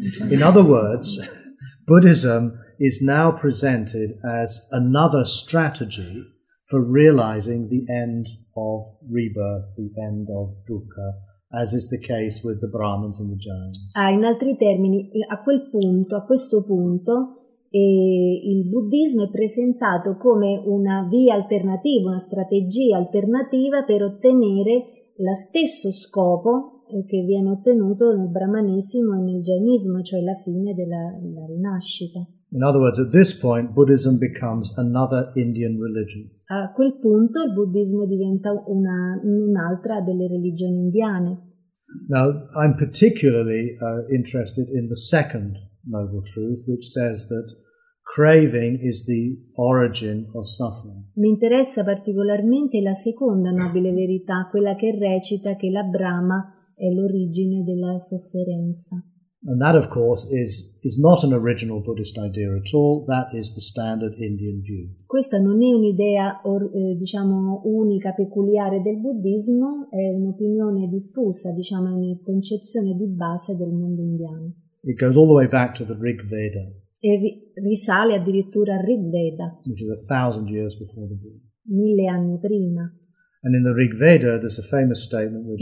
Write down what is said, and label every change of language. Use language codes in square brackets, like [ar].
[en] In other words, Buddhism is now presented as another strategy for realizing the end of rebirth, the end of dukkha, as is the case with the Brahmins and the Jains. [it] Ah, in altri termini, a questo punto. E il buddismo è presentato come una via alternativa, una strategia alternativa per ottenere lo stesso scopo che viene ottenuto nel brahmanesimo e nel jainismo, cioè la fine della rinascita. [en] In other words, at this point, Buddhism becomes another Indian religion. [it] A quel punto il buddismo diventa un'altra delle religioni indiane. [en] Now, I'm particularly interested in the second noble truth, which says that craving is the origin of suffering. [it] Mi interessa particolarmente la seconda nobile verità, quella che recita che la brama è l'origine della sofferenza. [en] And that, of course, is not an original Buddhist idea at all. That is the standard Indian view. [it] Questa non è un'idea, diciamo, unica, peculiare del buddismo. È un'opinione diffusa, diciamo, una concezione di base del mondo indiano. [en] It goes all the way back to the Rig Veda. [it] E risale addirittura al Rig Veda, [en] which is 1,000 years before the Buddha. [it] 1,000 anni prima. [en] And in the Rig Veda, there's a famous statement which